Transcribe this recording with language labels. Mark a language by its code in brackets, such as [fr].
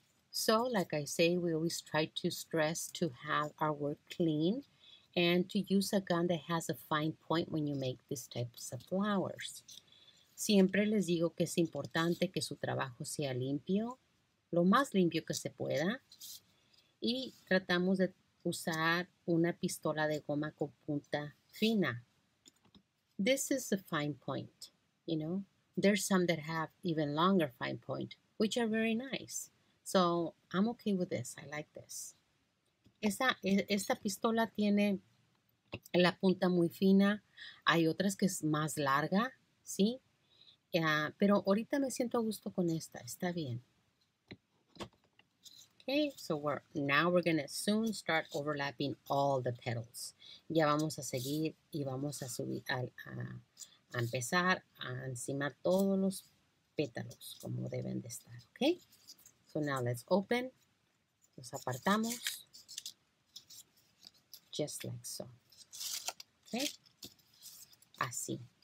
[en] So, like I say, we always try to stress to have our work clean and to use a gun that has a fine point when you make these types of flowers. [es] Siempre les digo que es importante que su trabajo sea limpio, lo más limpio que se pueda. Y tratamos de usar una pistola de goma con punta fina. [en] This is a fine point, you know. There's some that have even longer fine point, which are very nice. So I'm okay with this. I like this. [es] Esta pistola tiene la punta muy fina. Hay otras que es más larga, ¿sí? Pero ahorita me siento a gusto con esta. Está bien. [en] Okay, so now we're going to soon start overlapping all the petals. [es] Ya vamos a seguir y vamos a subir a empezar a encimar todos los pétalos como deben de estar, okay? [en] So now let's open. [es] Los apartamos. [en] Just like so. Okay? [es] Así.